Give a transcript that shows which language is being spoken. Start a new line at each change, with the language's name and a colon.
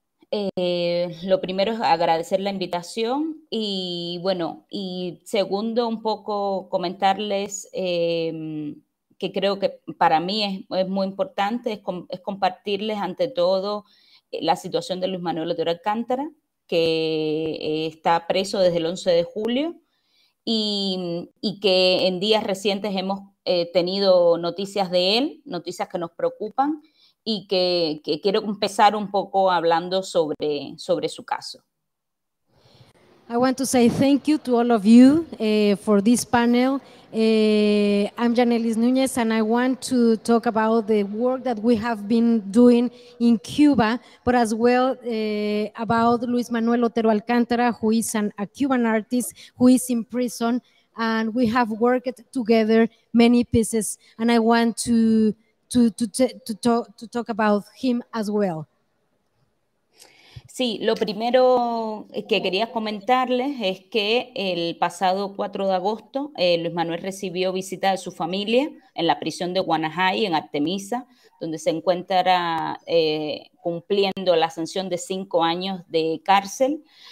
Spanish: Lo primero es agradecer la invitación y, bueno, y segundo, un poco comentarles que creo que para mí es muy importante es compartirles ante todo la situación de Luis Manuel Otero Alcántara, que está preso desde el 11 de julio y que en días recientes hemos tenido noticias de él, noticias que nos preocupan y que quiero empezar un poco hablando sobre su caso.
English: I want to say thank you to all of you for this panel. I'm Yanelys Nuñez, and I want to talk about the work that we have been doing in Cuba, but as well about Luis Manuel Otero Alcántara, who is a Cuban artist who is in prison, and we have worked together many pieces, and I want to to talk about him as well.
Spanish: Sí, lo primero que quería comentarles es que el pasado 4 de agosto Luis Manuel recibió visita de su familia en la prisión de Guanajay, en Artemisa, donde se encuentra cumpliendo la sanción de 5 años de cárcel.